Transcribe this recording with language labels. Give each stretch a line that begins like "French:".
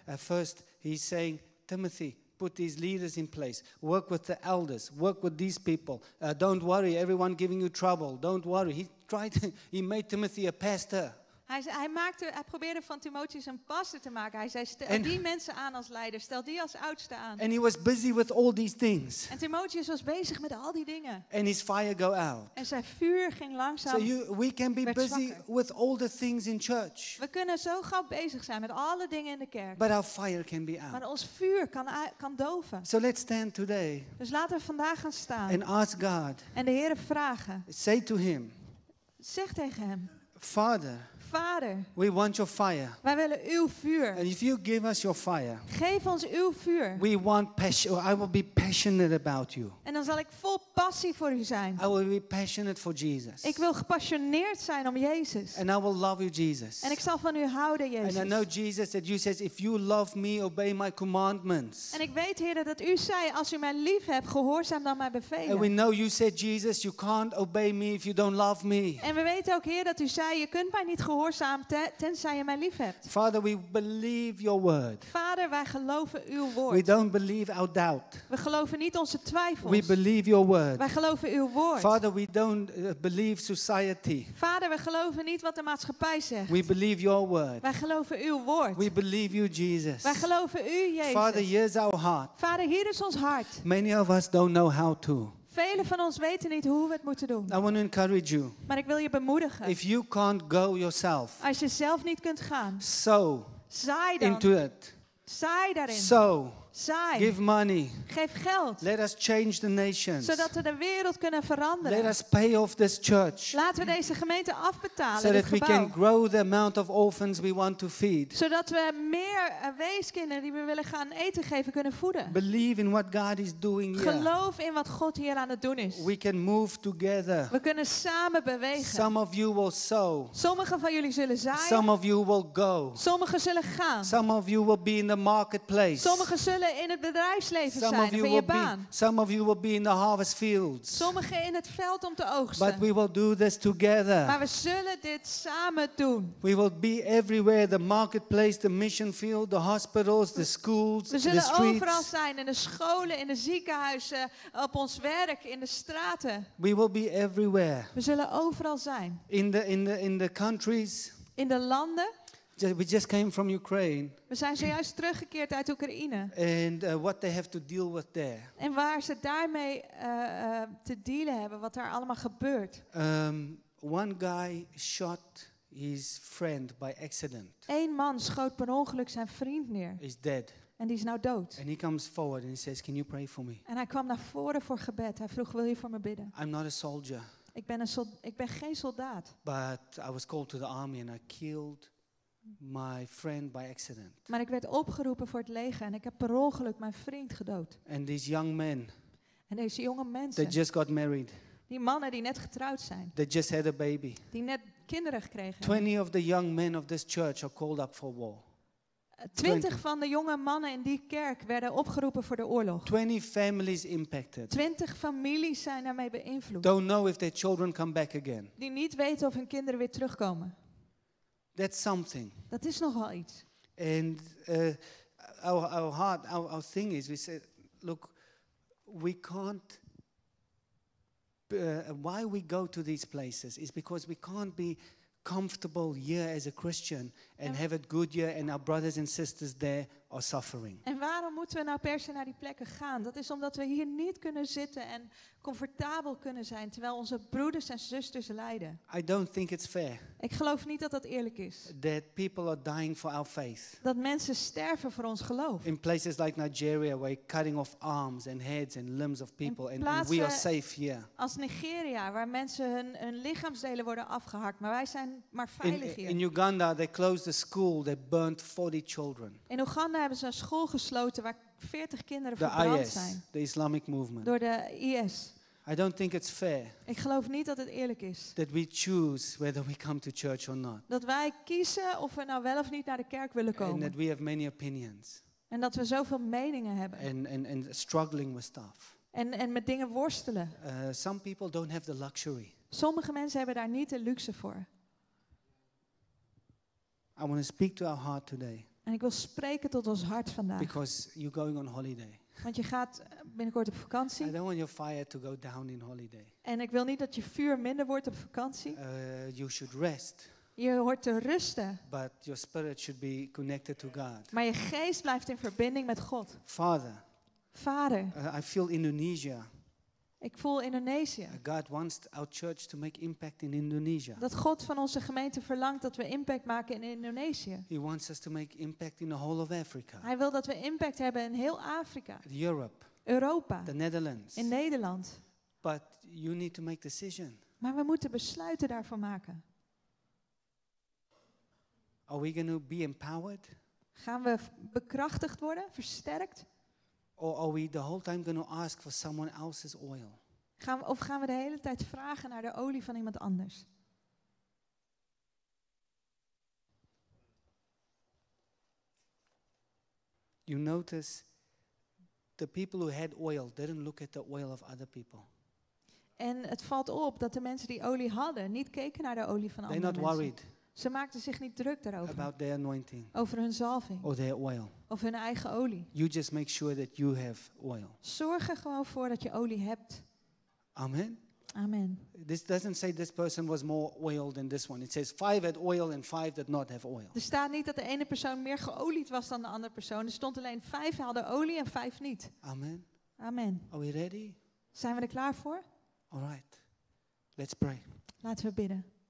English: At first he's saying, Timothy, put these leaders in place. Work with the elders. Work with these people. Don't worry, everyone giving you trouble. Don't worry. He made Timothy a pastor.
Dutch: Hij probeerde van Timotheus een pastor te maken. Hij zei, stel die mensen aan als leider. Stel die als oudste aan.
English: And he was busy with all these things.
Dutch: En Timotheus was bezig met al die dingen.
English: And his fire go out.
Dutch: En zijn vuur ging langzaam.
English: So we can be busy with all the things in church.
Dutch: We kunnen zo gauw bezig zijn met alle dingen in de kerk.
English: But our fire can be out.
Dutch: Maar ons vuur kan doven.
English: So let's stand today.
Dutch: Dus laten we vandaag gaan staan.
English: And ask God.
Dutch: En de Heere vragen.
English: Say to him.
Dutch: Zeg tegen hem.
English: Father.
Dutch: Vader,
English: we want your fire.
Dutch: Wij willen uw vuur.
English: And if you give us your fire,
Dutch: geef ons uw vuur.
English: We want passion. I will be passionate about you.
Dutch: En dan zal ik vol passie voor u zijn.
English: I will be passionate for Jesus.
Dutch: Ik wil gepassioneerd zijn om Jezus.
English: And I will love you, Jesus.
Dutch: En ik zal van u houden, Jezus.
English: And I know Jesus that you says, if you love me, obey my commandments.
Dutch: En ik weet, Heer, dat u zei, als u mij lief hebt, gehoorzaam dan mijn bevelen.
English: And we know you said, Jesus, you can't obey me if you don't love me.
Dutch: En we weten ook, Heer, dat u zei, je kunt mij niet gehoorzaam. Tenzij je mij lief hebt.
English: Father, we believe your word.
Dutch: Vader, wij geloven uw woord.
English: We don't believe our doubt.
Dutch: We geloven niet onze twijfels.
English: We believe your word.
Dutch: Wij geloven uw woord.
English: Father, we don't believe society.
Dutch: Vader, we geloven niet wat de maatschappij zegt.
English: We believe your word.
Dutch: Wij geloven uw woord.
English: We believe you, Jesus.
Dutch: Wij geloven u, Jezus.
English: Father, here's our heart.
Dutch: Vader, hier is ons hart.
English: Many of us don't know how to.
Dutch: Velen van ons weten niet hoe we het moeten doen.
English: I want to encourage you.
Dutch: Maar ik wil je bemoedigen.
English: If you can't go yourself,
Dutch: als je zelf niet kunt gaan.
English: So
Dutch: zaai dan.
English: Into it.
Dutch: Zaai daarin.
English: So
Dutch: Zaai.
English: Give money.
Dutch: Geef geld.
English: Let us change the nations.
Dutch: Zodat we de wereld kunnen veranderen.
English: Let us pay off this church.
Dutch: Laten we deze gemeente afbetalen.
English: So that we can grow the amount of orphans we want to feed.
Dutch: Zodat we meer weeskinderen die we willen gaan eten geven kunnen voeden.
English: Believe in what God is doing here.
Dutch: Geloof in wat God hier aan het doen is.
English: We can move together.
Dutch: We kunnen samen bewegen.
English: Some of you will sow.
Dutch: Sommigen van jullie zullen zaaien.
English: Some of you will go.
Dutch: Sommigen zullen gaan.
English: Some of you will be in the marketplace.
Dutch: Sommigen zullen in het bedrijfsleven zijn of in je baan.
English: Some of you will be in the harvest fields.
Dutch: Sommigen in het veld om te oogsten.
English: But we will do this together.
Dutch: Maar we zullen dit samen doen.
English: We will be everywhere, the marketplace, the mission field, the hospitals, the schools, the streets.
Dutch: We zullen overal zijn, in de scholen, in de ziekenhuizen, op ons werk, in de straten.
English: We will be everywhere.
Dutch: We zullen overal zijn.
English: In the countries.
Dutch: In de landen.
English: We just came from Ukraine.
Dutch: We zijn zojuist teruggekeerd uit Oekraïne.
English: And what they have to deal with there.
Dutch: En waar ze daarmee te dealen hebben, wat daar allemaal gebeurt.
English: One guy shot his friend by accident.
Dutch: Eén man schoot per ongeluk zijn vriend neer.
English: He's dead.
Dutch: En die is nou dood.
English: And he comes forward and he says, "Can you pray for me?"
Dutch: En hij kwam naar voren voor gebed. Hij vroeg, "Wil je voor me bidden?"
English: I'm not a soldier.
Dutch: Ik ben geen soldaat.
English: But I was called to the army and I killed my friend by accident.
Dutch: Maar ik werd opgeroepen voor het leger en ik heb per ongeluk mijn vriend gedood.
English: And these young men.
Dutch: En deze jonge mensen.
English: They just got married.
Dutch: Die mannen die net getrouwd zijn.
English: They just had a baby.
Dutch: Die net kinderen gekregen.
English: 20 of the young men of this church are called up for war.
Dutch: 20 van de jonge mannen in die kerk werden opgeroepen voor de oorlog.
English: 20 families impacted.
Dutch: 20 families zijn daarmee beïnvloed.
English: Don't know if their children come back again.
Dutch: Die niet weten of hun kinderen weer terugkomen.
English: That's something.
Dutch: Dat is nogal iets.
English: And our heart, our thing is, we said, look, we can't. Why we go to these places is because we can't be comfortable here as a Christian and have it good here and our brothers and sisters there are suffering.
Dutch: En waarom moeten we nou per se naar die plekken gaan? Dat is omdat we hier niet kunnen zitten en comfortabel kunnen zijn terwijl onze broeders en zusters lijden.
English: I don't think it's fair.
Dutch: Ik geloof niet dat dat eerlijk is.
English: That people are dying for our faith.
Dutch: Dat mensen sterven voor ons geloof.
English: In places like Nigeria where you're cutting off arms and heads and limbs of people and we are safe here.
Dutch: Als Nigeria waar mensen hun lichaamsdelen worden afgehakt, maar wij zijn maar veilig hier.
English: In Uganda they closed the school that burnt 40 children.
Dutch: In Oeganda hebben ze een school gesloten waar 40 kinderen verbrand zijn.
English: The Islamic movement.
Dutch: Door de IS.
English: I don't think it's fair.
Dutch: Ik geloof niet dat het eerlijk is.
English: That we choose whether we come to church or not.
Dutch: Dat wij kiezen of we nou wel of niet naar de kerk willen komen.
English: And that we have many opinions.
Dutch: En dat we zoveel meningen hebben.
English: And struggling with stuff.
Dutch: En met dingen worstelen.
English: Some people don't have the luxury.
Dutch: Sommige mensen hebben daar niet de luxe voor.
English: I want to speak to our heart today.
Dutch: En ik wil spreken tot ons hart vandaag.
English: Because you're going on holiday.
Dutch: Want je gaat binnenkort op vakantie.
English: I don't want your fire to go down in holiday.
Dutch: En ik wil niet dat je vuur minder wordt op vakantie.
English: You should rest.
Dutch: Je hoort te rusten.
English: But your spirit should be connected to God.
Dutch: Maar je geest blijft in verbinding met God.
English: Father.
Dutch: Vader.
English: I feel Indonesia.
Dutch: Ik voel Indonesië.
English: God wants our church to make impact in Indonesia.
Dutch: Dat God van onze gemeente verlangt dat we impact maken in Indonesië.
English: He wants us to make impact in the whole of Africa.
Dutch: Hij wil dat we impact hebben in heel Afrika.
English: Europe.
Dutch: Europa.
English: The Netherlands.
Dutch: In Nederland.
English: But you need to make decision.
Dutch: Maar we moeten besluiten daarvoor maken.
English: Are we going to be empowered?
Dutch: Gaan we bekrachtigd worden, versterkt?
English: Or are we the whole time going to ask for someone else's oil?
Dutch: Gaan we de hele tijd vragen naar de olie van iemand anders?
English: You notice the people who had oil didn't look at the oil of other people.
Dutch: En het valt op dat de mensen die olie hadden niet keken naar de olie van
English: They're
Dutch: andere
English: not
Dutch: mensen.
English: Worried.
Dutch: Ze maakten zich niet druk daarover.
English: About their anointing.
Dutch: Over hun zalving.
English: Or their oil.
Dutch: Of hun eigen olie.
English: You just make sure that you have oil.
Dutch: Zorg er gewoon voor dat je olie hebt.
English: Amen.
Dutch: Amen.
English: This doesn't say this person was more oil than this one. It says five had oil and five did not have oil.
Dutch: Er staat niet dat de ene persoon meer geolied was dan de andere persoon. Er stond alleen vijf hadden olie en vijf niet.
English: Amen.
Dutch: Amen.
English: Are we ready?
Dutch: Zijn we er klaar voor?
English: All right. Let's pray.
Dutch: Laten we bidden.